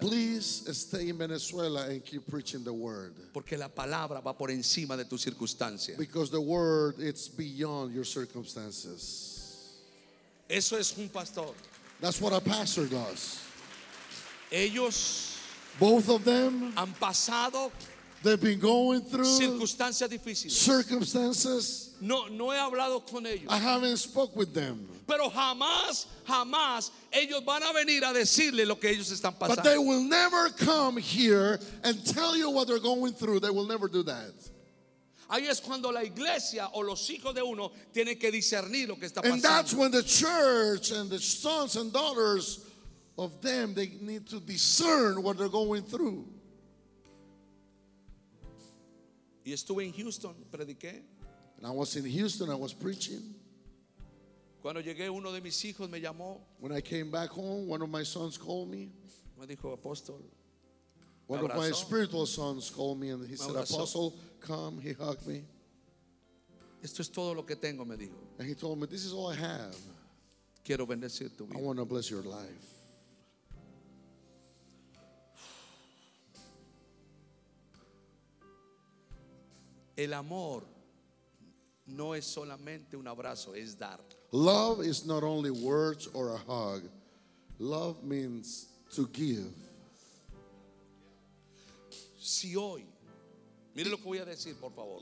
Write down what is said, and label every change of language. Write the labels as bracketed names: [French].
[English] Please stay in Venezuela and keep preaching the word. [Spanish] Porque la palabra va por encima de tus circunstancias. [English] Because the word is beyond your circumstances. [Spanish] Eso es un pastor. [English] That's what a pastor does. [Spanish] Ellos, [English] both of them, [Spanish] han pasado, [English] they've been going through [Spanish] circunstancias difíciles. [English] Circumstances. [Spanish] No he hablado con ellos. [English] I haven't spoke with them. [Spanish] Pero jamás, jamás ellos van a venir a decirle lo que ellos están pasando. [English] But they will never come here and tell you what they're going through. They will never do that. [Spanish] Ahí es cuando la iglesia o los hijos de uno tienen que discernir lo que está pasando. [English] And that's when the church and the sons and daughters of them, they need to discern what they're going through. [Spanish] Y estuve en Houston, prediqué. [English] And I was in Houston, I was preaching. [Spanish] Cuando llegué, uno de mis hijos me llamó. [English] When I came back home, one of my sons called me. [Spanish] Me dijo, apóstol. [English] One of my spiritual sons called me and he said, apostle, come. He hugged me. [Spanish] Esto es todo lo que tengo, me dijo. [English] And he told me, this is all I have. [Spanish] Quiero bendecir tu vida. [English] I want to bless your life. [Spanish] El amor no es solamente un abrazo, es dar. [English] Love is not only words or a hug. Love means to give. [Spanish] Si hoy, mire lo que voy a decir, por favor.